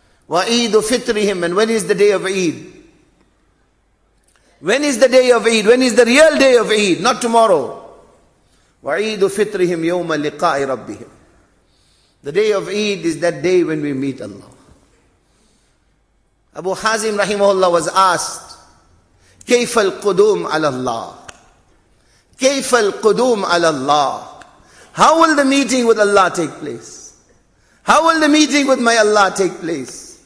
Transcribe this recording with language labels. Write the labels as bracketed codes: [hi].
[ar] وَعِيدُ فِطْرِهِمْ, [en] and when is the day of Eid? When is the day of Eid? When is the real day of Eid? Not tomorrow. [ar] وَعِيدُ فِطْرِهِمْ يَوْمَ لِقَاءِ رَبِّهِمْ. [en] The day of Eid is that day when we meet Allah. Abu Hazim rahimahullah was asked, [ar] كَيْفَ الْقُدُومْ عَلَى اللَّهِ كَيْفَ الْقُدُومْ عَلَى اللَّهِ. [en] How will the meeting with Allah take place? How will the meeting with my Allah take place?